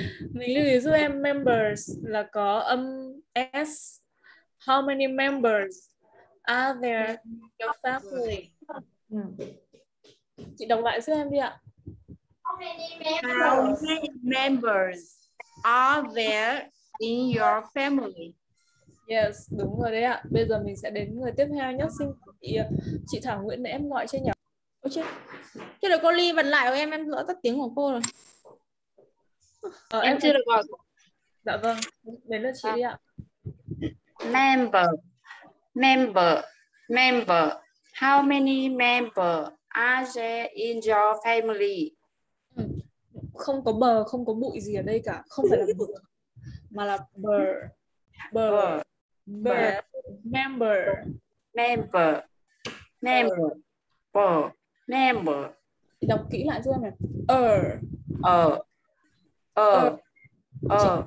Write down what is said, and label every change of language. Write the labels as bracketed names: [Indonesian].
[Vietnamese] Mình lưu ý giúp em members là có âm s. [English] How many members are there in your family? [Vietnamese] Chị đọc lại giúp em đi ạ. [English] How many members are there in your family? Yes, đúng rồi đấy ạ. [Vietnamese] Bây giờ mình sẽ đến người tiếp theo nhé. Xin chị Thảo Nguyễn để em gọi cho nhỉ. Ôi chết. Chứ là cô Ly vẫn lại với em lỡ tắt tiếng của cô rồi. Em chưa được gọi. Dạ vâng, đến lượt chị đi ạ. [English] Member. Member. Member. How many member are there in your family? [Vietnamese] Không có bờ, không có bụi gì ở đây cả. Không phải là bờ. Mà là bờ. [English] Member. [Vietnamese] Đọc kỹ lại cho em này.